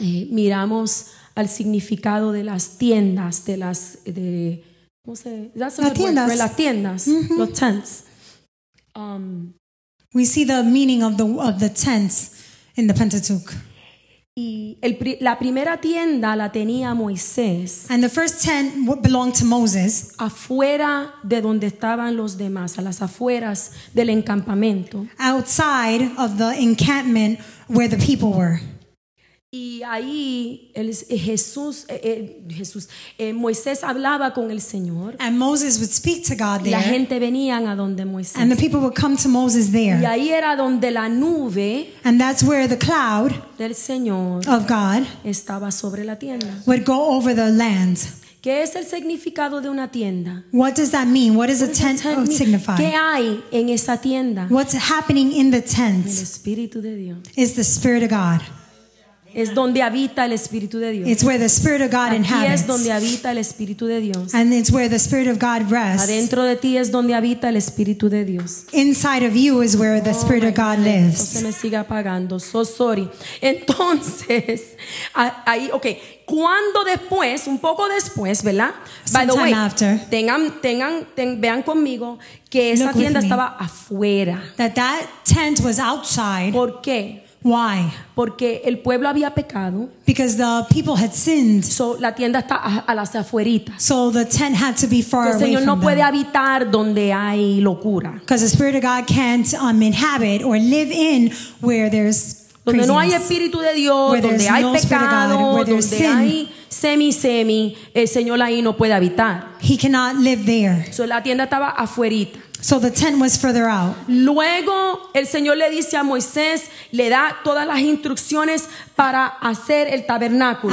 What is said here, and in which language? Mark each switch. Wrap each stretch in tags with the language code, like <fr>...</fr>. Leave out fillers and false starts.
<es>Miramos al significado de las tiendas, de las de cómo se las tiendas, las tiendas, mm-hmm. Los tents.</es> <en>We see the meaning of the tents in the Pentateuch.</en> <es>Y la primera tienda la tenía Moisés.</es> <en>And the first tent belonged to Moses.</en> <es>Afuera de donde estaban los demás, a las afueras del encampamento.</es> <en>Outside of the encampment where the people were.</en> <es>Y ahí Moisés hablaba con el Señor.</es> <en>And Moses would speak to God there.</en> <es>La gente venían a donde Moisés.</es> <en>And the people would come to Moses there.</en> <es>Y ahí era donde la nube.</es> <en>And that's where the cloud</en> <es>del Señor</es> <en>of God</en> <es>estaba sobre la tienda.</es> <en>Would go over the land.</en> <es>¿Qué es el significado de una tienda?</es> <en>What does that mean? What does a tent signify?</en> <es>¿Qué hay en esa tienda?</es> <en>What's happening in the tent?</en> <es>El Espíritu de Dios.</es> <en>Is the Spirit of God.</en> <es>Es donde habita el Espíritu de Dios.</es> <en>It's where the Spirit of God inhabits.</en> <es>Es donde habita el Espíritu de Dios.</es> <en>And it's where the Spirit of God rests.</en> <es>Adentro de ti es donde habita el Espíritu de Dios.</es> <en>Inside of you is where the Spirit of God lives.</en> <es>Se me sigue apagando.</es> <en>So sorry.</en> <es>Entonces, ahí, okay. Cuando después, un poco después, ¿verdad?</es> <en>By the way, after,</en> <es>vean conmigo que esa tienda estaba afuera.</es> <en>That tent was outside.</en> <es>¿Por qué?</es> <en>Why?</en> <es>Porque el pueblo había pecado.</es> <en>Because the people had sinned.</en> <es>So la tienda está a las afueritas.</es> <en>So the tent had to be far away from them.</en> <es>El Señor no puede habitar donde hay locura.</es> <en>Because the Spirit of God can't inhabit or live in where there's craziness.</en> <es>Donde no hay Espíritu de Dios, donde hay pecado, donde hay semi, el Señor ahí no puede habitar.</es> <en>He cannot live there.</en> <es>So la tienda estaba afuerita.</es> <en>So the tent was further out.</en> <es>Luego el Señor le dice a Moisés, le da todas las instrucciones para hacer el tabernáculo.</es>